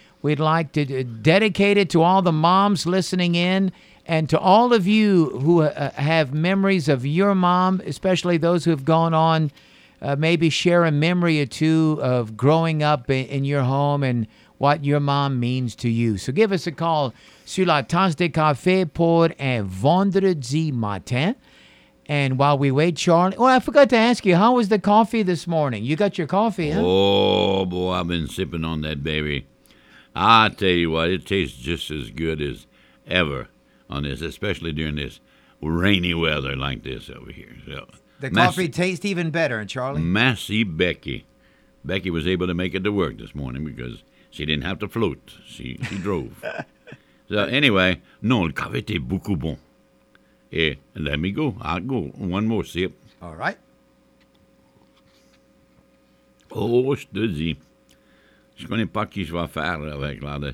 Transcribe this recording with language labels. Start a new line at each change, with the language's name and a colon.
English: We'd like to dedicate it to all the moms listening in and to all of you who have memories of your mom, especially those who have gone on, maybe share a memory or two of growing up in your home and what your mom means to you. So give us a call
French: sur La Tosta Cafe pour un vendredi matin.
English: And while we wait, Charlie, well, I forgot to ask you, how was the coffee this morning? You got your coffee, huh? Oh, boy, I've been sipping on that, baby. I tell you what, it tastes just as good as ever on this, especially during this rainy weather like this over here. So, the coffee tastes even better, Charlie.
French: Massey Becky.
English: Becky was able to make it to work this morning because she didn't have to float. She drove. So anyway,
French: non, le café était beaucoup bon.
English: Yeah, let me go. I'll go. One more sip. All right.
French: Oh, je te dis. Je connais pas qui je vais faire avec là.